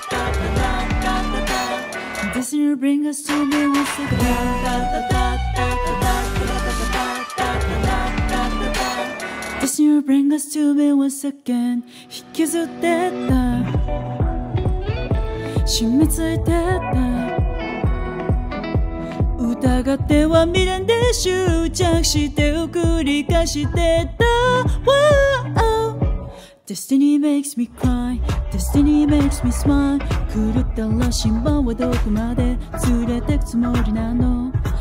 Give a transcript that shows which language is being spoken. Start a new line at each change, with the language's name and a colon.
English: Destiny bring us to me once again. Destiny bring us to me once again.
Japanese: 引きずってた、染み付いてた、疑っては未練で執着してを繰り返してた。
English: Destiny makes me cry, Destiny makes me smile.
Japanese: 狂った羅針盤はどこまで連れてくつもりなの？